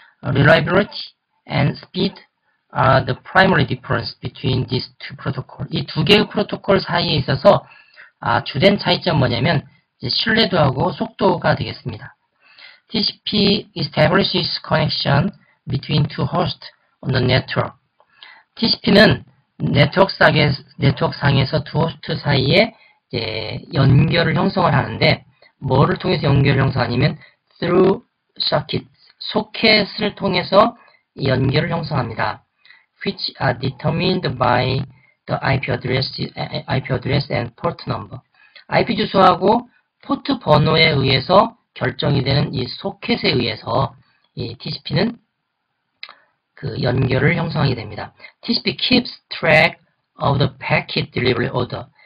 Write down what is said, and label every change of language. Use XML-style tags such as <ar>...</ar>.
<en>Reliability and speed are the primary difference between these two protocols.</en> <ko>이 두 개의 프로토콜 사이에 있어서 주된 차이점 뭐냐면 이제 신뢰도하고 속도가 되겠습니다.</ko> <en>TCP establishes connection between two hosts on the network.</en> <ko>TCP는 네트워크 상에서 두 호스트 사이에 이제 연결을 형성을 하는데, 뭐를 통해서 연결을 형성하냐면</ko> <en>through circuits,</en> <ko>소켓을 통해서 연결을 형성합니다.</ko> <en>Which are determined by the IP address and port number.</en> <ko>IP 주소하고 포트 번호에 의해서 결정이 되는 이 소켓에 의해서 이 TCP는 그 연결을 형성하게 됩니다.</ko> <en>TCP keeps track of the packet delivery order.</en>